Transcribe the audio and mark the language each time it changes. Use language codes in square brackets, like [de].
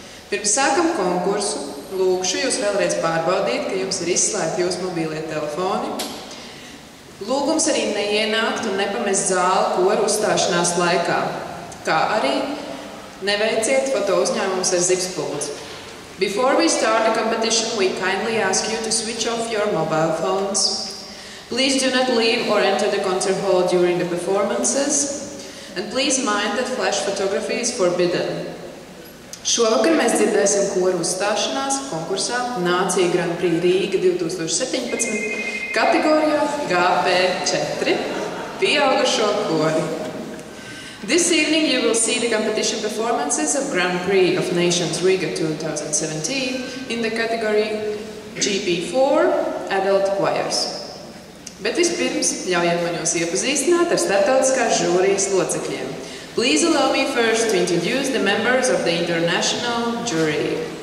[lv] Pirms sākam konkursu, lūkšu jūs vēlreiz pārbaudīt, ka jums ir izslēgti jūsu mobīlie telefoni. Lūgums arī neienākt un nepamest zāli koru uzstāšanās laikā, kā arī neveiciet foto uzņēmumus ar zipspuldzi. [en] Before we start the competition, we kindly ask you to switch off your mobile phones. Please do not leave or enter the concert hall during the performances. And please mind that flash photography is forbidden. [lv] Šovakar mēs dzirdēsim koru uzstāšanās konkursā Nācija Grand Prix Rīga 2017 kategorijā GP4 pieaugušo kori. [en] This evening you will see the competition performances of Grand Prix of Nations Riga 2017 in the category GP4 Adult Choirs. [lv] Bet vispirms ļaujiet man jūs iepazīstināt ar starptautiskās žūrijas locekļiem. [en] Please allow me first to introduce the members of the international jury.